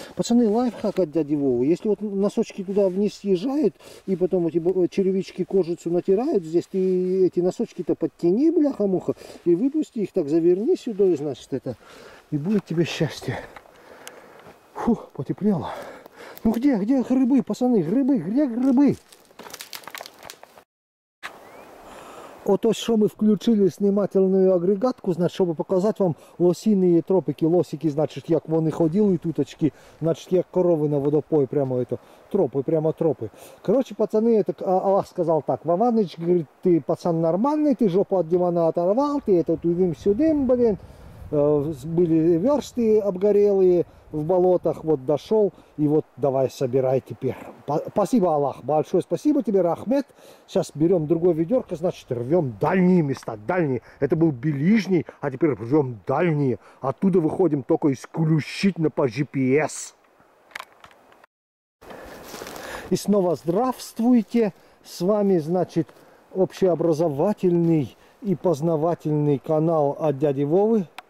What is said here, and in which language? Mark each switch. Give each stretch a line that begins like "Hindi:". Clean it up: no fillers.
Russian: Пацаны, лайфхак от дяди Вовы. Если вот носочки туда вниз съезжают, и потом эти червячки кожицу натирают здесь, ты эти носочки-то подтяни, бляха-муха, и выпусти их так, заверни сюда, и значит это, и будет тебе счастье. Фу, потеплело. Ну где, где грибы, пацаны, грибы, где грибы?
Ukrainian: Ото, що ми включили знімательну агрегатку, значить, щоб показати вам лосіні тропики, лосики, значить, як вони ходили тут, значить, як корови на водопої, прямо це, тропи, прямо тропи. Коротше, пацани, я так, Аллах сказав так, Вованич, ти пацан нормальний, ти жопу від дивана оторвав, ти це туди-сюди, блін, були версти обгорілі в болотах, от дійшов, і от давай збирай тепер.
Russian: Спасибо, Аллах, большое спасибо тебе, Рахмет. Сейчас берем другое ведерко, значит, рвем дальние места, дальние. Это был ближний, а теперь рвем дальние. Оттуда выходим только исключительно по GPS. И снова здравствуйте. С вами, значит, общеобразовательный и познавательный канал от дяди Вовы.